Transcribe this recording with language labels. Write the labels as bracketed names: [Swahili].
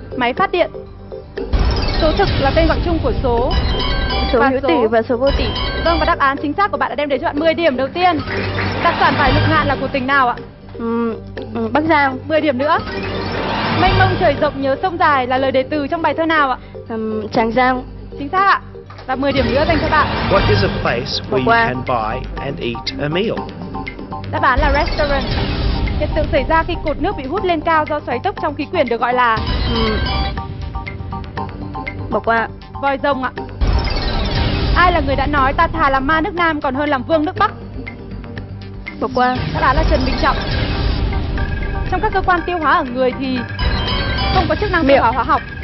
[Vietnamese] Máy phát điện. Số thực là tên gọi chung của số số hữu tỉ và số vô tỉ. Vâng, và đáp án chính xác của bạn đã đem đến cho bạn 10 điểm đầu tiên. Đặc sản vải Lục Ngạn là của tỉnh nào ạ? Bắc Giang. 10 điểm nữa. Mênh mông trời rộng nhớ sông dài là lời đề từ trong bài thơ nào ạ? Tràng Giang. Chính xác ạ. Và 10 điểm nữa dành cho bạn. [English] What is a place where you can buy and eat a meal? [Vietnamese] Đáp án là restaurant. Hiện tượng xảy ra khi cột nước bị hút lên cao do xoáy tốc trong khí quyển được gọi là... Bỏ qua. Vòi rồng ạ. Ai là người đã nói ta thà làm ma nước Nam còn hơn làm vương nước Bắc? Bỏ qua. Đáp án là Trần Bình Trọng. Trong các cơ quan tiêu hóa ở người thì không có chức năng tiêu hóa hóa học.